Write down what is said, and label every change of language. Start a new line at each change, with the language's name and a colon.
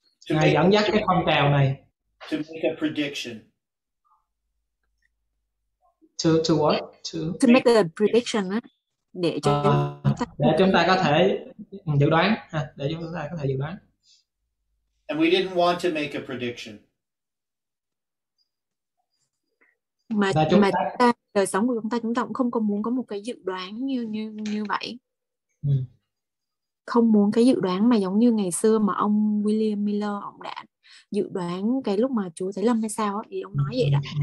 Vietnamese: to Ngài dẫn dắt cái phong trào này
English: to make a prediction. To what? To make a prediction
Vietnamese: để cho chúng ta có thể dự đoán ha, để chúng ta có thể dự đoán.
English: And we didn't want to make a prediction.
Vietnamese: Mà chúng ta đời sống của chúng ta cũng không có muốn có một cái dự đoán như vậy. Không muốn cái dự đoán mà giống như ngày xưa mà ông William Miller ông đã dự đoán cái lúc mà Chúa Thánh Lâm hay sao thì ông nói vậy đó.